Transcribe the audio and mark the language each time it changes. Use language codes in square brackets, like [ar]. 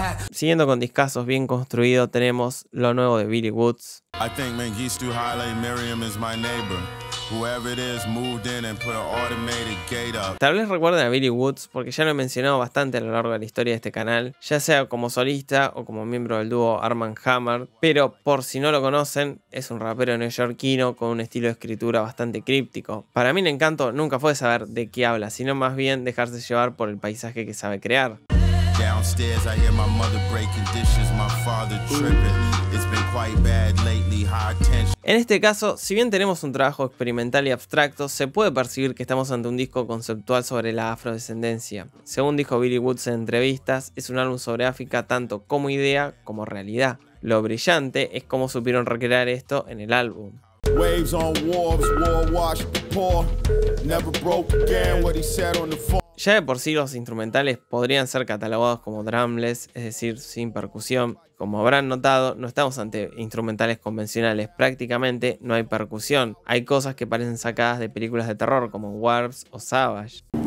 [es] Siguiendo con discazos bien construidos, tenemos lo nuevo de Billy Woods. [en] I think Mengistu Haile Mariam is my neighbor. Whoever it is moved in and put an automated gate up. [es] Tal vez recuerden a Billy Woods porque ya lo he mencionado bastante a lo largo de la historia de este canal, ya sea como solista o como miembro del dúo Arm & Hammer, pero por si no lo conocen, es un rapero neoyorquino con un estilo de escritura bastante críptico. Para mí el encanto nunca fue saber de qué habla, sino más bien dejarse llevar por el paisaje que sabe crear. [en] Downstairs I hear my mother breaking dishes, my father tripping. It's been quite bad lately, high tension. [es] En este caso, si bien tenemos un trabajo experimental y abstracto, se puede percibir que estamos ante un disco conceptual sobre la afrodescendencia. Según dijo Billy Woods en entrevistas, es un álbum sobre África tanto como idea como realidad. Lo brillante es cómo supieron recrear esto en el álbum. [en] Waves on wharves, war washed the poor, never broke again what he said on the phone. [es] Ya de por sí los instrumentales podrían ser catalogados como drumless, es decir, sin percusión. Como habrán notado, no estamos ante instrumentales convencionales, prácticamente no hay percusión. Hay cosas que parecen sacadas de películas de terror como Warps o Savage.